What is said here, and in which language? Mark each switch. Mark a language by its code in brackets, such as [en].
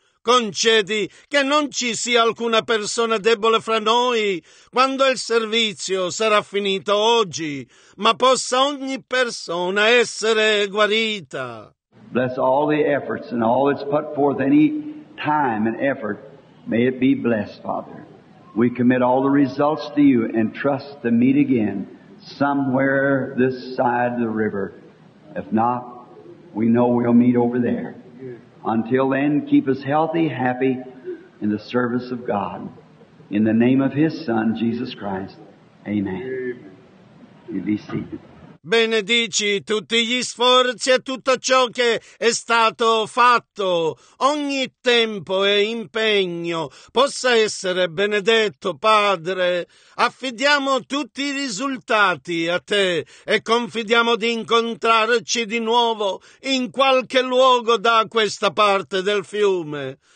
[it] Concedi che non ci sia alcuna persona debole fra noi quando il servizio sarà finito oggi, ma possa ogni persona essere guarita. [en] Bless all the efforts and all that's put forth any time and effort. May it be blessed, Father. We commit all the results to you and trust to meet again somewhere this side of the river. If not, we know we'll meet over there. Until then, keep us healthy, happy, in the service of God. In the name of His Son, Jesus Christ. Amen. You be seated. [it] Benedici tutti gli sforzi e tutto ciò che è stato fatto. Ogni tempo e impegno possa essere benedetto, Padre. Affidiamo tutti i risultati a Te e confidiamo di incontrarci di nuovo in qualche luogo da questa parte del fiume.